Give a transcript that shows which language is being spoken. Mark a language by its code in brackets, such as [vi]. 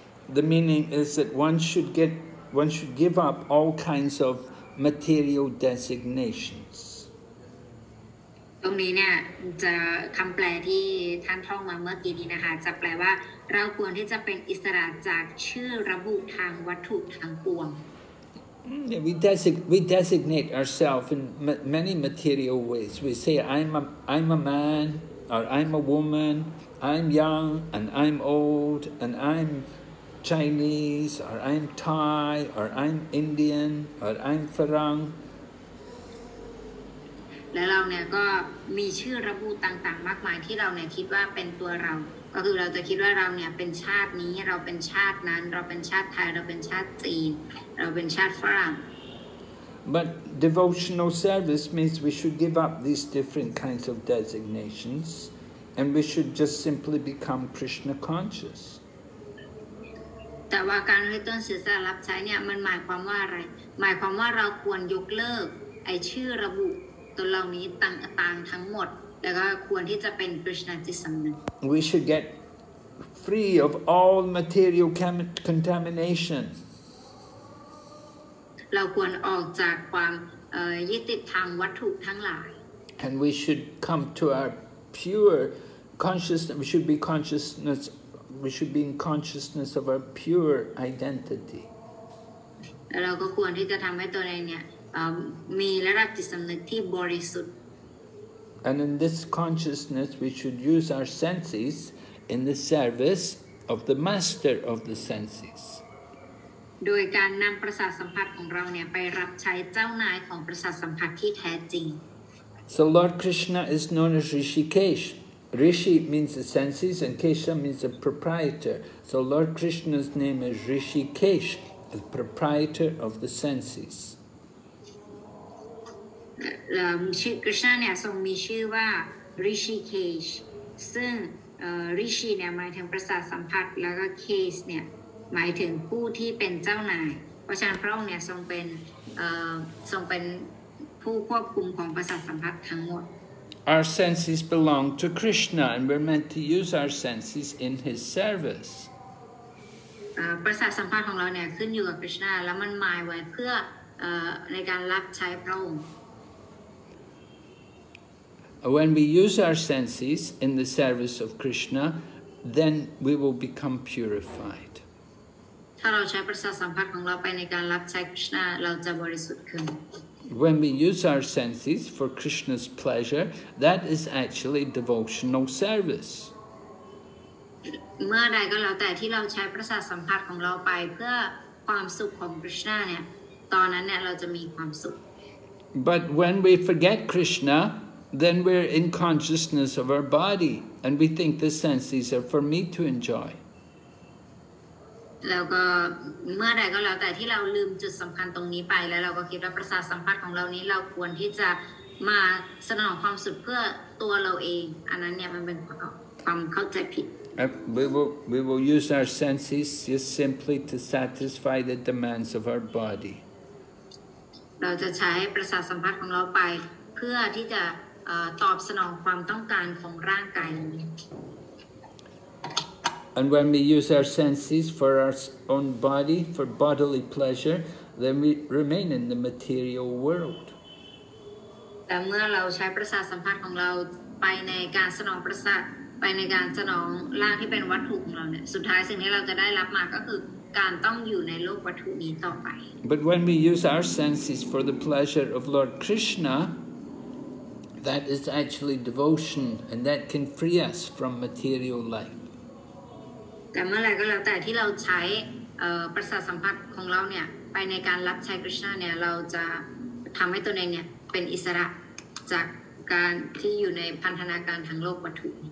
[en] The meaning is that one should give up all kinds of material designations. [th] ตรงนี้เนี่ยจะคำแปลที่ท่านท่องมาเมื่อกี้นี้นะคะจะแปลว่าเราควรที่จะเป็นอิสระจากชื่อระบุทางวัตถุทางปวง [en] Yeah, we designate ourselves in many material ways. We say I'm a man or I'm a woman. I'm young and I'm old and I'm Chinese or I'm Thai or I'm Indian or I'm Farang. [th] และเราเนี่ยก็มีชื่อระบุต่างๆมากมายที่เราเนี่ยคิดว่าเป็นตัวเราก็คือเราจะคิดว่าเราเนี่ยเป็นชาตินี้เราเป็นชาตินั้นเราเป็นชาติไทยเราเป็นชาติจีนเราเป็นชาติฝรั่ง [en] But devotional service means we should give up these different kinds of designations and we should just simply become Krishna conscious [th] แต่ว่าการที่ต้นศึกษารับใช้เนี่ยมันหมายความว่าอะไรหมายความว่าเราควรยกเลิกไอ้ชื่อระบุตัวเรานี้ต่างๆทั้งหมดแล้วก็ควรที่จะเป็นคริสต์ที่สำเ [en] ร็จ We should get free of all material contamination. [th] เราควรออกจากความยึดติดทางวัตถุทั้งหลาย [en] And we should come to our pure consciousness. We should be in consciousness of our pure identity. [th] เราก็ควรที่จะทำให้ตัวเองเนี่ยมีระดับจิตสำนึกที่บริสุทธิ์ [en] And in this consciousness, we should use our senses in the service of the master of the senses. [th] โดยการนำประสาทสัมผัสของเราเนี่ยไปรับใช้เจ้านายของประสาทสัมผัสที่แท้จริง [en] So Lord Krishna is known as Rishikesh. Rishi means the senses, and Kesha means the proprietor. So Lord Krishna's name is Rishikesh, the proprietor of the senses. [th] ชื่อคริสต์เนี่ยทรงมีชื่อว่าริชิเคชซึ่งริชิเนี่ยหมายถึงประสาทสัมผัสแล้วก็เคสเนี่ยหมายถึงผู้ที่เป็นเจ้านายเพราะฉะนั้นพระองค์เนี่ยทรงเป็นผู้ควบคุมของประสาทสัมผัสทั้งหมด [en] Our senses belong to Krishna and we're meant to use our senses in his service [th] ประสาทสัมผัสของเราเนี่ยขึ้นอยู่กับคริสต์แล้วมันหมายไว้เพื่อในการรับใช้พระองค์ [en] When we use our senses in the service of Krishna, then we will become purified. [th] ถ้าเราใช้ประสาทสัมผัสของเราไปในการรับใช้คริชนาเราจะบริสุทธิ์ขึ้น [en] When we use our senses for Krishna's pleasure, that is actually devotional service. [th] เมื่อใดก็แล้วแต่ที่เราใช้ประสาทสัมผัสของเราไปเพื่อความสุขของคริชนาเนี่ยตอนนั้นเนี่ยเราจะมีความสุข [en] But when we forget Krishna, then we're in consciousness of our body, and we think the senses are for me to enjoy. [th] แล้วก็เมื่อใดก็แล้วแต่ที่เราลืมจุดสำคัญตรงนี้ไปแล้วเราก็คิดว่าประสาทสัมผัสของเรานี้เราควรที่จะมาสนองความสุขเพื่อตัวเราเองอันนั้นเนี่ยมันเป็นความเข้าใจผิด [en] We will use our senses just simply to satisfy the demands of our body. [th] เราจะใช้ประสาทสัมผัสของเราไปเพื่อที่จะตอบสนองความต้องการของร่างกายนี้ [en] And when we use our senses for our own body, for bodily pleasure, then we remain in the material world. [th] แต่เมื่อเราใช้ประสาทสัมผัสของเราไปในการสนองประสาทไปในการสนองร่างที่เป็นวัตถุของเราเนี่ยสุดท้ายสิ่งที่เราจะได้รับมาก็คือการต้องอยู่ในโลกวัตถุนี้ต่อไป [en] But when we use our senses for the pleasure of Lord Krishna that is actually devotion and that can free us from material life [th] แต่เมื่อไรก็แล้วแต่ที่เราใช้ประสาทสัมผัสของเราเนี่ยไปในการรับใช้คริชนาเนี่ยเราจะทำให้ตัวเองเนี่ยเป็นอิสระจากการที่อยู่ในพันธนาการทางโลกวัตถุ